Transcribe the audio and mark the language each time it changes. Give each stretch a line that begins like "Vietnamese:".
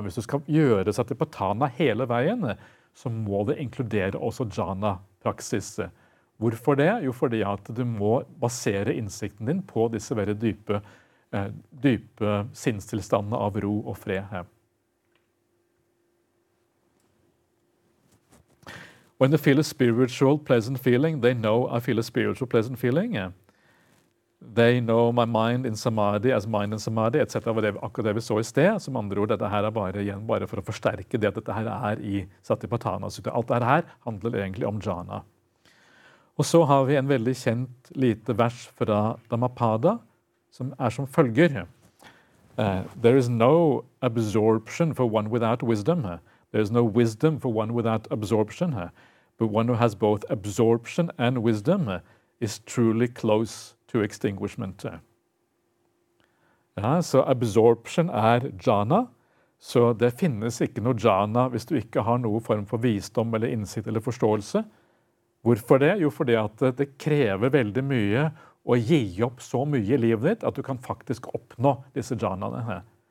Norwegian: Hvis du skal gjøre Satipatthana hele veien, så må det inkludere også jhana-praksis. Hvorfor det? Jo, fordi at du må basere innsikten din på disse veldig dype, dype sinnstilstandene av ro og fred her.
English: When they feel a spiritual pleasant feeling, they know I feel a spiritual pleasant feeling. They know my mind in samadhi as mind in samadhi, etc.
Norwegian: Akkurat det vi så i sted, som andre ord, dette her bare for å forsterke det at dette her i Satipatthana. Alt dette her handler egentlig om jhana. Og så har vi en veldig kjent lite vers fra Dhammapada, som som følger.
English: There is no absorption for one without wisdom. There is no wisdom for one without absorption. But one who has both absorption and wisdom is truly close to extinguishment.
Norwegian: Ja, så absorption jhana, så det finnes ikke noe jhana hvis du ikke har noen form for visdom eller innsikt eller forståelse. Hvorfor det? Jo, fordi at det krever veldig mye å gi opp så mye i livet ditt at du kan faktisk oppnå disse jhanaene her.